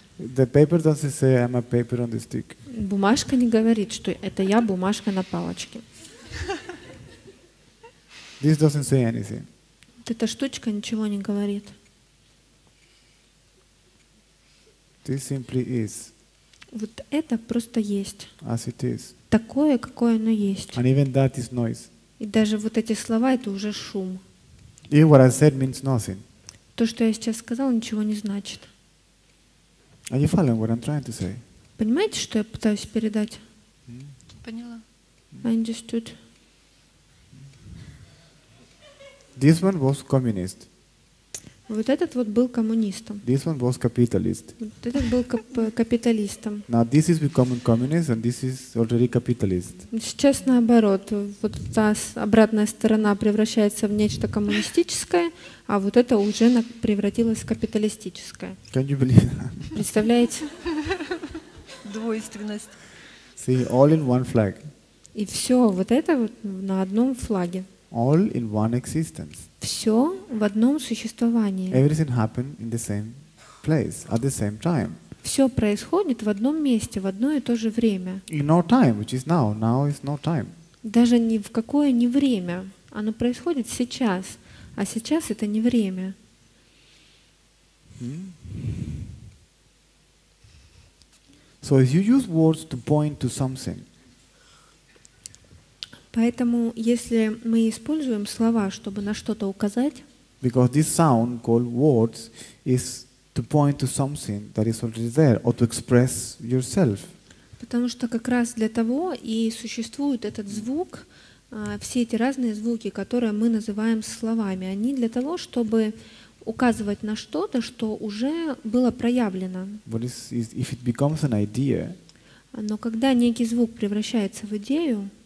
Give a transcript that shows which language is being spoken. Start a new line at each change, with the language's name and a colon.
English: The paper doesn't say I'm a paper on the stick.
Russian: Бумажка не говорит, что это я бумажка на палочке.
English: This doesn't say anything.
Russian: Вот эта штучка ничего не говорит.
English: This simply is.
Russian: Вот это просто есть.
English: As it is.
Russian: Такое, какое оно есть.
English: And even that is noise.
Russian: И даже вот эти слова — это уже шум.
English: Even what I said means nothing.
Russian: То, что я сейчас сказал, ничего не значит.
English: Are you following what I'm trying to say?
Russian: Понимаете, что я пытаюсь передать? Поняла.
English: I understood. This one was communist.
Russian: Вот этот вот был коммунистом.
English: This one was capitalist.
Russian: Вот этот был капиталистом.
English: Now this is becoming communist and this is already capitalist.
Russian: Сейчас наоборот. Вот та обратная сторона превращается в нечто коммунистическое, а вот это уже превратилось в капиталистическое.
English: Can you believe that?
Russian: Представляете? Двойственность.
English: See, all in one flag.
Russian: И все, вот это вот на одном флаге.
English: All in one existence.
Russian: Все в одном существовании.
English: Everything happened in the same place at the same time.
Russian: Все происходит в одном месте, в одно и то же время.
English: In no time, which is now. Now is no time.
Russian: Даже ни в какое не время. Оно происходит сейчас, а сейчас это не время.
English: So if you use words to point to something.
Russian: Поэтому, если мы используем слова, чтобы на что-то указать,
English: because this sound called words is to point to something that is already there or to express yourself.
Russian: Потому что как раз для того и существует этот звук, все эти разные звуки, которые мы называем словами, они для того, чтобы указывать на что-то, что уже было проявлено.
English: But if it becomes an idea,
Russian: но когда некий звук превращается в идею,